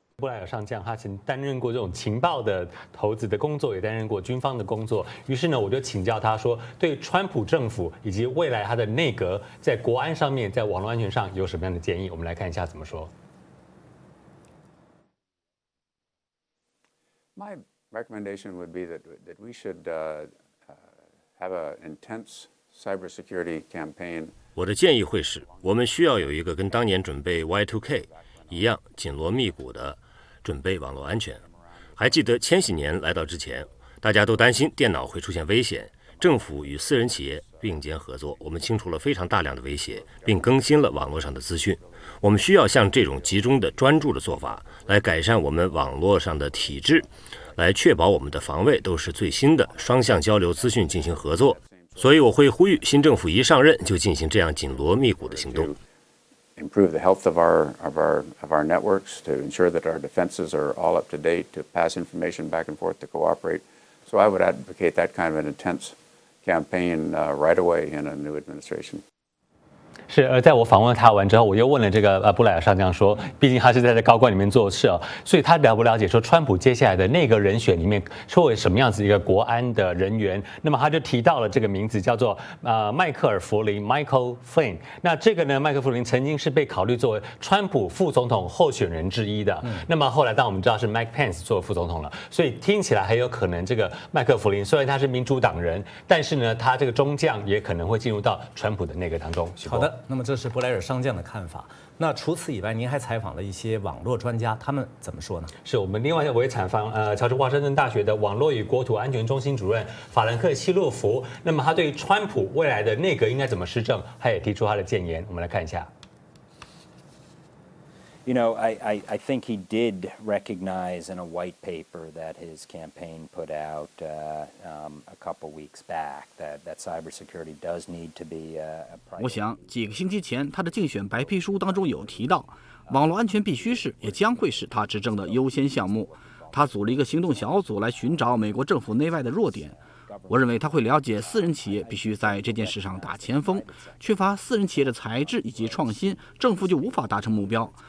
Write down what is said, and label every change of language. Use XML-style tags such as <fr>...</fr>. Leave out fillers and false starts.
<zh>布莱尔上将他曾担任过这种情报的投资的工作，也担任过军方的工作，于是呢，我就请教他说对川普政府以及未来他的内阁在国安上面在网络安全上有什么样的建议，我们来看一下怎么说。</zh> <en>My recommendation would be that we should have an intense cybersecurity campaign.</en> <zh>我的建议会是，我们需要有一个跟当年准备 Y2K 一样紧锣密鼓的准备网络安全。还记得千禧年来到之前，大家都担心电脑会出现危险，政府与私人企业并肩合作，我们清除了非常大量的威胁，并更新了网络上的资讯。我们需要像这种集中的专注的做法来改善我们网络上的体制，来确保我们的防卫都是最新的，双向交流资讯进行合作。所以我会呼吁新政府一上任就进行这样紧锣密鼓的行动。</zh> <en>Improve the health of our networks to ensure that our defenses are all up to date, to pass information back and forth, to cooperate. So I would advocate that kind of an intense campaign right away in a new administration.</en> <zh>是，在我访问他完之后，我又问了这个布莱尔上将说，毕竟他是在高官里面做事啊，所以他了不了解说川普接下来的那个人选里面会有什么样子一个国安的人员？那么他就提到了这个名字叫做迈克尔·弗林 （Michael Flynn）。那这个呢，迈克尔·弗林曾经是被考虑作为川普副总统候选人之一的。那么后来，当我们知道是 Mike Pence 做副总统了，所以听起来很有可能这个迈克尔·弗林虽然他是民主党人，但是呢，他这个中将也可能会进入到川普的内阁当中。好的。那么这是布莱尔上将的看法。那除此以外，您还采访了一些网络专家，他们怎么说呢？是我们另外一位采访，乔治华盛顿大学的网络与国土安全中心主任法兰克希洛夫。那么他对川普未来的内阁应该怎么施政，他也提出他的建言，我们来看一下。</zh> <en>You know, I think he did recognize in a white paper that his campaign put out a couple weeks back that cybersecurity does need to be a priority.</en> <zh>我想几个星期前他的竞选白皮书当中有提到，网络安全必须是也将会是他执政的优先项目。他组了一个行动小组来寻找美国政府内外的弱点。我认为他会了解私人企业必须在这件事上打前锋，缺乏私人企业的才智以及创新，政府就无法达成目标。</zh>